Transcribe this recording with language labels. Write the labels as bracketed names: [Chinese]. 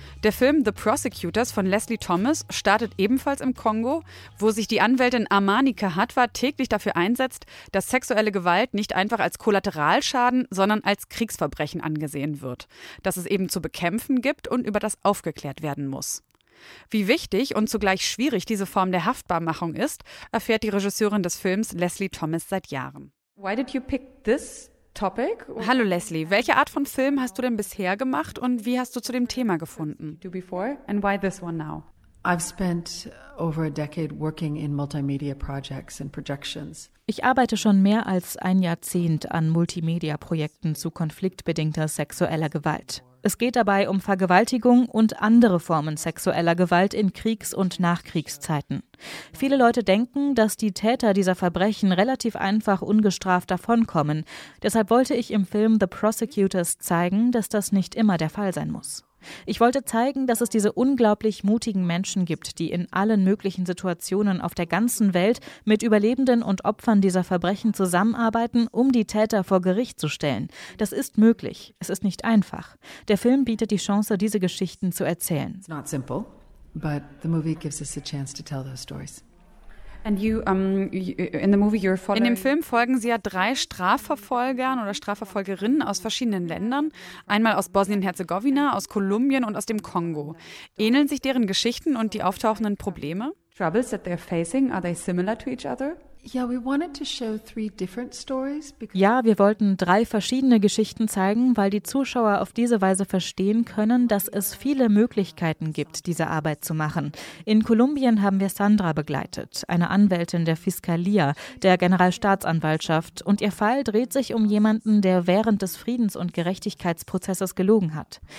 [German] Der Film The Prosecutors von Leslie Thomas startet ebenfalls im Kongo, wo sich die Anwältin Armani Kahatwa täglich dafür einsetzt, dass sexuelle Gewalt nicht einfach als Kollateralschaden, sondern als Kriegsverbrechen angesehen wird, dass es eben zu bekämpfen gibt und über das aufgeklärt werden muss. Wie wichtig und zugleich schwierig diese Form der Haftbarmachung ist, erfährt die Regisseurin des Films Leslie Thomas seit Jahren. [English] Why did you pick this topic? [German] Hallo Leslie, welche Art von Film hast du denn bisher gemacht und wie hast du zu dem Thema gefunden? [English] Do before and why this one now? I've spent over a decade working in multimedia projects and projections. [German] Ich arbeite schon mehr als ein Jahrzehnt an Multimedia-Projekten zu konfliktbedingter sexueller Gewalt. Es geht dabei um Vergewaltigung und andere Formen sexueller Gewalt in Kriegs- und Nachkriegszeiten. Viele Leute denken, dass die Täter dieser Verbrechen relativ einfach ungestraft davonkommen. Deshalb wollte ich im Film The Prosecutors zeigen, dass das nicht immer der Fall sein muss. Ich wollte zeigen, dass es diese unglaublich mutigen Menschen gibt, die in allen möglichen Situationen auf der ganzen Welt mit Überlebenden und Opfern dieser Verbrechen zusammenarbeiten, um die Täter vor Gericht zu stellen. Das ist möglich. Es ist nicht einfach. Der Film bietet die Chance, diese Geschichten zu erzählen. [English] It's not simple, but the movie gives us a chance to tell those stories. And you, in the movie you're following. [German] In dem Film folgen sie ja drei Strafverfolgern oder Strafverfolgerinnen aus verschiedenen Ländern, einmal aus Bosnien-Herzegowina, aus Kolumbien und aus dem Kongo. Ähneln sich deren Geschichten und die auftauchenden Probleme? [English] Troubles that they're facing, are they similar to each other? Yeah, we wanted to show three different stories because [German] ja, wir wollten drei verschiedene Geschichten zeigen, weil die Zuschauer auf diese Weise verstehen können, dass es viele Möglichkeiten gibt, diese Arbeit zu machen. In Kolumbien haben wir Sandra begleitet, eine Anwältin der Fiskalia, der Generalstaatsanwaltschaft, und ihr Fall dreht sich um jemanden, der während des Friedens- und Gerechtigkeitsprozesses gelogen hat.